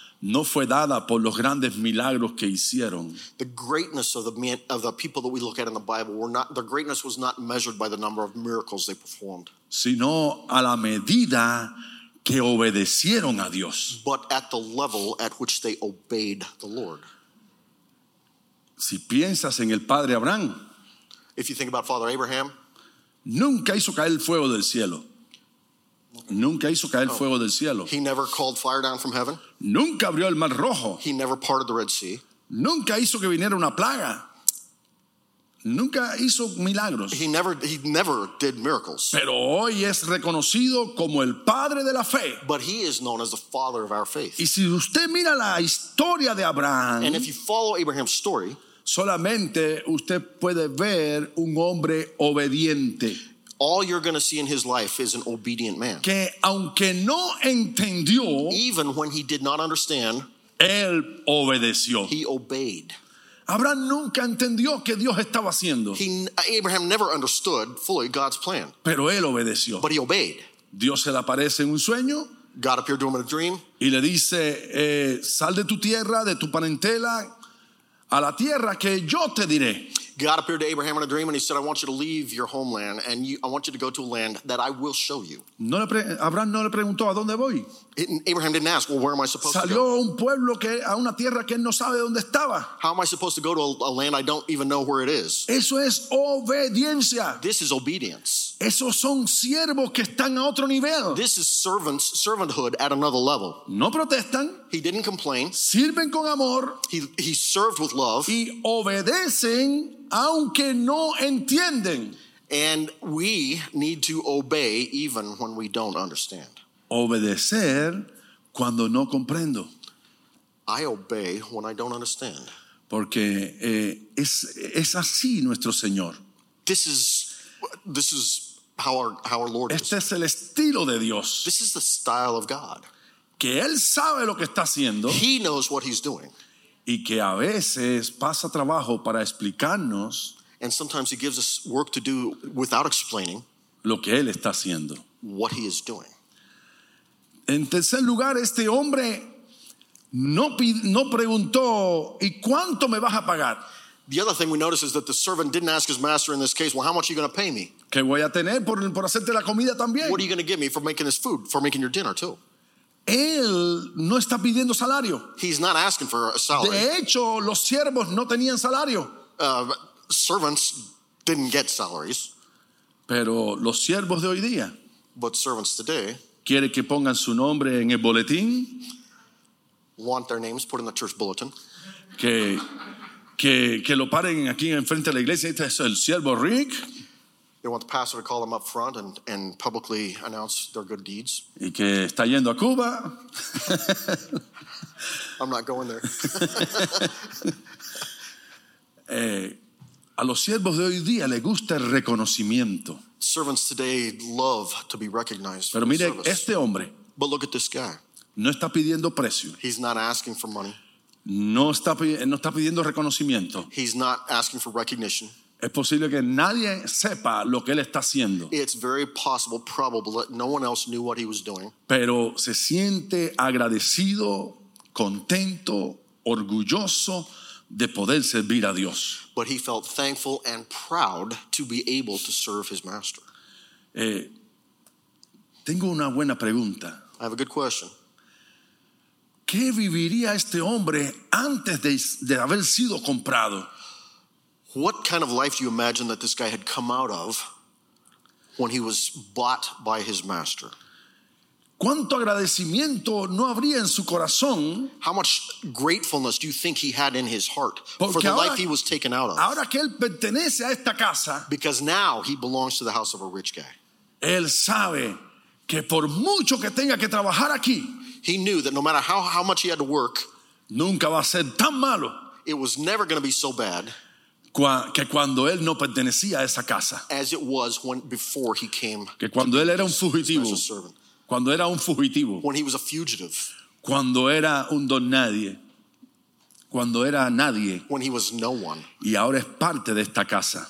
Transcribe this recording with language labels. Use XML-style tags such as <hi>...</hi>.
<es>no fue dada por los grandes milagros que hicieron.</es> <en>The greatness of the people that we look at in the Bible were not, their greatness was not measured by the number of miracles they performed.</en> <es>Sino a la medida que obedecieron a Dios.</es> <en>But at the level at which they obeyed the Lord.</en> <es>Si piensas en el padre Abraham,</es> <en>if you think about Father Abraham,</en> <es>nunca hizo caer el fuego del cielo. Nunca hizo caer fuego del cielo.</es> <en>He never called fire down from heaven.</en> <es>Nunca abrió el mar rojo.</es> <en>He never parted the Red Sea.</en> <es>Nunca hizo que viniera una plaga. Nunca hizo milagros.</es> <en>He never did miracles.</en> <es>Pero hoy es reconocido como el padre de la fe.</es> <en>But he is known as the father of our faith.</en> <es>Y si usted mira la historia de Abraham,</es> <en>and if you follow Abraham's story,</en> <es>solamente usted puede ver un hombre obediente.</es> <en>All you're going to see in his life is an obedient man.</en> <es>Que aunque no entendió,</es> <en>even when he did not understand,</en> <es>él obedeció.</es> <en>He obeyed.</en> <es>Abraham nunca entendió qué Dios estaba haciendo.</es> <en>Abraham never understood fully God's plan.</en> <es>Pero él obedeció.</es> <en>But he obeyed.</en> <es>Dios se le aparece en un sueño.</es> <en>God appeared to him in a dream.</en> <es>Y le dice, sal de tu tierra, de tu parentela, a la tierra que yo te diré.</es> <en>God appeared to Abraham in a dream and he said, I want you to leave your homeland and I want you to go to a land that I will show you.</en> <es>Abraham no le preguntó, ¿a dónde voy?</es> <en>Abraham didn't ask, well, where am I supposed</en> <es>Salió</es> <en>to go?</en> <es>Un pueblo que, a una tierra que él no sabe dónde estaba.</es> <en>How am I supposed to go to a land I don't even know where it is?</en> <es>Eso es obediencia.</es> <en>This is obedience.</en> <es>Esos son siervos que están a otro nivel.</es> <en>This is servanthood at another level.</en> <es>No protestan.</es> <en>He didn't complain.</en> <es>Sirven con amor.</es> <en>He served with love.</en> <es>Y obedecen aunque no entienden.</es> <en>And we need to obey even when we don't understand.</en> <es>Obedecer cuando no comprendo.</es> <en>I obey when I don't understand.</en> <es>Porque es así nuestro Señor.</es> <en>This is how our Lord</en> <es>este Este es el estilo de Dios.</es> <en>This is the style of God.</en> <es>Que Él sabe lo que está haciendo.</es> <en>He knows what he's doing.</en> <es>Y que a veces pasa trabajo para explicarnos.</es> <en>And sometimes he gives us work to do without explaining.</en> <es>Lo que Él está haciendo.</es> <en>What he is doing.</en> <es>En tercer lugar, este hombre no preguntó, ¿y cuánto me vas a pagar?</es> <en>The other thing we notice is that the servant didn't ask his master in this case, well, how much are you going to pay me?</en> <es>¿Qué voy a tener por hacerte la comida también?</es> <en>What are you going to give me for making this food, for making your dinner too?</en> <es>Él no está pidiendo salario.</es> <en>He's not asking for a salary.</en> <es>De hecho, los siervos no tenían salario.</es> <en>Servants didn't get salaries.</en> <es>Pero los siervos de hoy día.</es> <en>But servants today.</en> <es>Quiere que pongan su nombre en el boletín.</es> <en>Want their names put in the church bulletin.</en> <es>Que lo paren aquí enfrente de la iglesia. Este es el siervo Rick.</es> <en>They want the pastor to call them up front and publicly announce their good deeds.</en> <es>Y que está yendo a Cuba.</es> <en>I'm not going there.</en> <es>A los siervos de hoy día les gusta el reconocimiento.</es> <en>Servants today love to be recognized.</en> <es>Pero mire,</es> <en>service.</en> <es>Este hombre,</es> <en>but look at this guy.</en> <es>No está pidiendo precio.</es> <en>He's not asking for money.</en> <es>No está pidiendo reconocimiento.</es> <en>He's not asking for recognition.</en> <es>Es posible que nadie sepa lo que él está haciendo.</es> <en>It's very possible, probable, that no one else knew what he was doing.</en> <es>Pero se siente agradecido, contento, orgulloso de poder servir a Dios.</es> <en>But he felt thankful and proud to be able to serve his master.</en> <es>Tengo una buena pregunta.</es> <en>I have a good question.</en> <es>¿Qué viviría este hombre antes de haber sido comprado?</es> <en>What kind of life do you imagine that this guy had come out of when he was bought by his master?</en> <es>¿Cuánto agradecimiento no habría en su corazón?</es> <en>How much gratefulness do you think he had in his heart for the life he was taken out of?</en> <es>Ahora que él pertenece a esta casa,</es> <en>because now he belongs to the house of a rich guy.</en> <es>Él sabe que por mucho que tenga que trabajar aquí,</es> <en>he knew that no matter how much he had to work,</en> <es>nunca va a ser tan malo,</es> <en>it was never going to be so bad,</en> <es>que cuando él no pertenecía a esa casa,</es> <en>as it was when, before he came,</en> <es>que cuando él era un fugitivo, cuando era un fugitivo,</es> <en>when he was a fugitive,</en> <es>cuando era un don nadie, cuando era nadie,</es> <en>when he was no one,</en> <es>y ahora es parte de esta casa,</es>